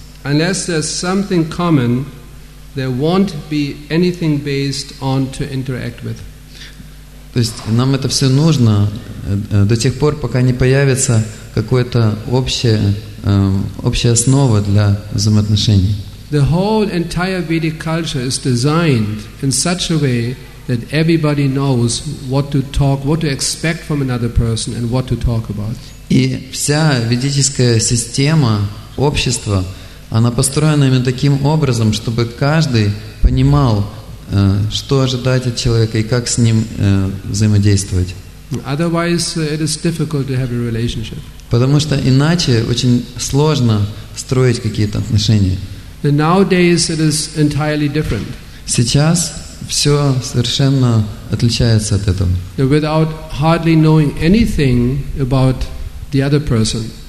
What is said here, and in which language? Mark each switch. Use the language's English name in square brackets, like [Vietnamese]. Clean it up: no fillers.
[English] Unless there's something common, there won't be anything based on to interact with. [Russian] То есть нам это все нужно до тех пор, пока не появится какая-то общая основа для взаимоотношений. [English] The whole entire Vedic culture is designed in such a way that everybody knows what to talk, what to expect from another person and what to talk about. [Russian] И вся ведическая система общества, она построена именно таким образом, чтобы каждый понимал, что ожидать от человека и как с ним взаимодействовать. [English] Otherwise, it is difficult to have a relationship. [Russian] Потому что иначе очень сложно строить какие-то отношения. [English] And nowadays, it is entirely different. [Russian] Сейчас все совершенно отличается от этого. [English] Without hardly knowing anything about the other person.